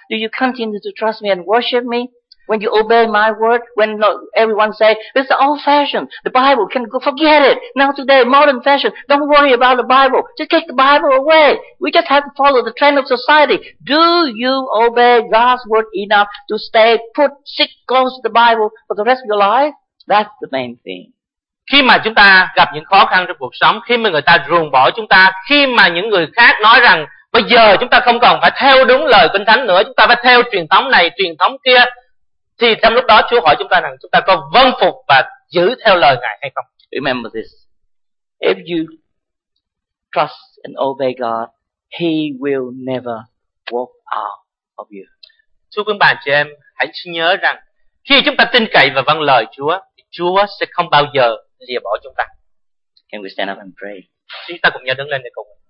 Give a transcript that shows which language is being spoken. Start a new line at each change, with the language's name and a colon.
English: Do you continue to trust me and worship me? When you obey my word, when everyone say this is old fashioned, the Bible can go, forget it. Now today, modern fashion, don't worry about the Bible. Just take the Bible away. We just have to follow the trend of society. Do you obey God's word enough to stay put, stick close to the Bible for the rest of your life? That's the main thing.
Vietnamese: Khi mà chúng ta gặp những khó khăn trong cuộc sống, khi mà người ta ruồng bỏ chúng ta, khi mà những người khác nói rằng bây giờ chúng ta không còn phải theo đúng lời Kinh Thánh nữa, chúng ta phải theo truyền thống này, truyền thống kia, thì trong lúc đó Chúa hỏi chúng ta rằng chúng ta có vâng phục và giữ theo lời Ngài hay không?
English: Remember this. If you trust and obey God, He will never walk out of you.
Vietnamese: Thưa quý bạn chị em, hãy nhớ rằng khi chúng ta tin cậy và vâng lời Chúa, Chúa sẽ không bao giờ lìa bỏ chúng ta.
English: Can we stand up and pray?
Vietnamese: Chúng ta cùng nhau đứng lên để cùng.